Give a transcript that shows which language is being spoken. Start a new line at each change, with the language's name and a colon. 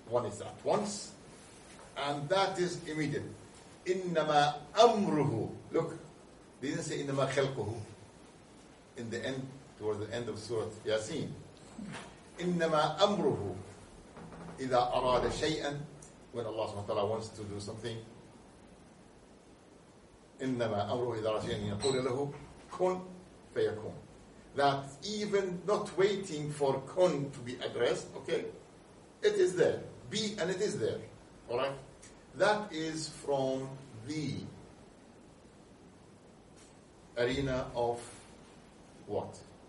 English: One is at once, and that is immediate.
Arabic: Innama amruhu.
English: Look, they didn't say
Arabic: innama khalquhu.
English: In the end, towards the end of Surah Yasin.
Arabic: Innama amruhu. إذا أراد شيئا,
English: when Allah subhanahu wa ta'ala wants to do something,
Arabic: إنما أمره إذا أراد شيئا يقول له كن فيكون.
English: That even not waiting for كن to be addressed, okay, it is there. Be and it is there. All right, that is from the arena of what?